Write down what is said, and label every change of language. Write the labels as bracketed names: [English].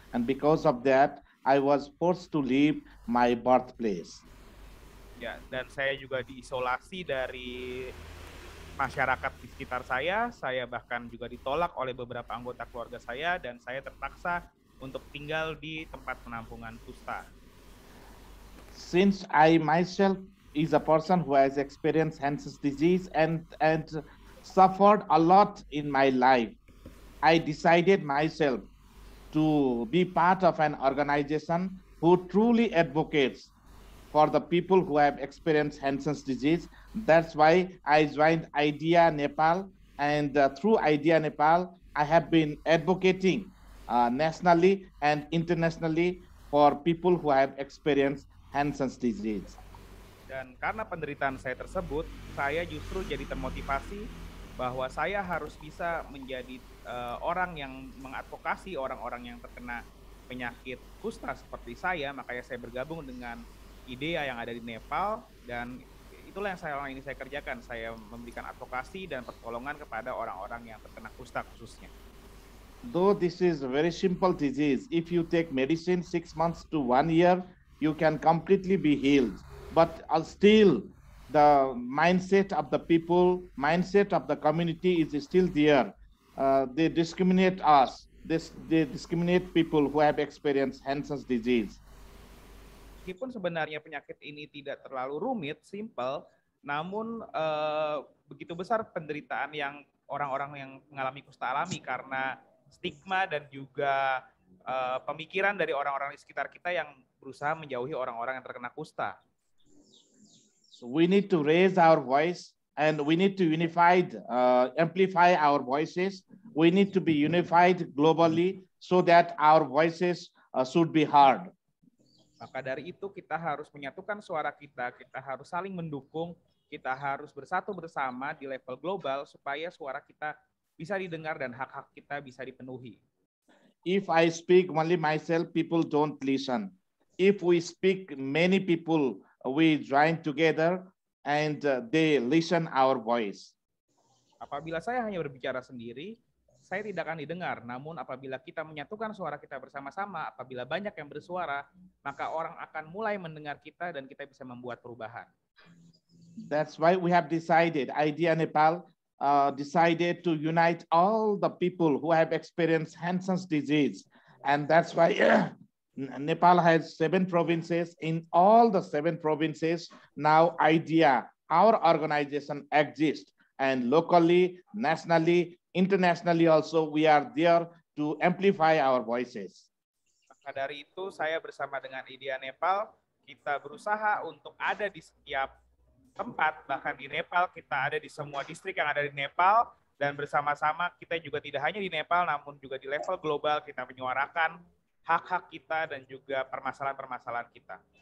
[English] And because of that, I was forced to leave my birthplace. [Indonesian] Ya, dan saya juga diisolasi dari masyarakat di sekitar saya. Saya bahkan juga ditolak oleh beberapa anggota keluarga saya, dan saya terpaksa untuk tinggal di tempat penampungan kusta. [English] Since I myself is a person who has experienced Hansen's disease and suffered a lot in my life, I decided myself to be part of an organization who truly advocates for the people who have experienced Hansen's disease. That's why I joined IDEA Nepal, and through IDEA Nepal, I have been advocating nationally and internationally for people who have experienced Hansen's disease. [Indonesian] Dan karena penderitaan saya tersebut, saya justru jadi termotivasi bahwa saya harus bisa menjadi orang yang mengadvokasi orang-orang yang terkena penyakit kusta seperti saya, makanya saya bergabung dengan IDEA yang ada di Nepal, dan itulah yang selama ini saya kerjakan. Saya memberikan advokasi dan pertolongan kepada orang-orang yang terkena kusta khususnya. [English] Though this is a very simple disease, if you take medicine 6 months to 1 year, you can completely be healed. But still, the mindset of the people, mindset of the community is still there. They discriminate us. They discriminate people who have experienced Hansen's disease. [Indonesian] Meskipun sebenarnya penyakit ini tidak terlalu rumit, simple, namun begitu besar penderitaan yang orang-orang yang mengalami kusta alami karena stigma dan juga pemikiran dari orang-orang di sekitar kita yang berusaha menjauhi orang-orang yang terkena kusta. [English] So we need to raise our voice, and we need to amplify our voices. We need to be unified globally so that our voices should be heard. [Indonesian] Maka dari itu kita harus menyatukan suara kita, kita harus saling mendukung, kita harus bersatu bersama di level global supaya suara kita bisa didengar dan hak-hak kita bisa dipenuhi. [English] If I speak only myself, people don't listen. If we speak many people, we join together and they listen our voice. [Indonesian] Apabila saya hanya berbicara sendiri, saya tidak akan didengar. Namun apabila kita menyatukan suara kita bersama-sama, apabila banyak yang bersuara, maka orang akan mulai mendengar kita dan kita bisa membuat perubahan. [English] That's why we have decided, IDEA Nepal decided to unite all the people who have experienced Hansen's disease. And that's why Nepal has 7 provinces. In all the 7 provinces, now IDEA, our organization, exists. And locally, nationally, internationally also, we are there to amplify our voices. [Indonesian] Maka dari itu, saya bersama dengan IDEA Nepal, kita berusaha untuk ada di setiap tempat, bahkan di Nepal, kita ada di semua distrik yang ada di Nepal, dan bersama-sama kita juga tidak hanya di Nepal, namun juga di level global, kita menyuarakan hak-hak kita dan juga permasalahan-permasalahan kita.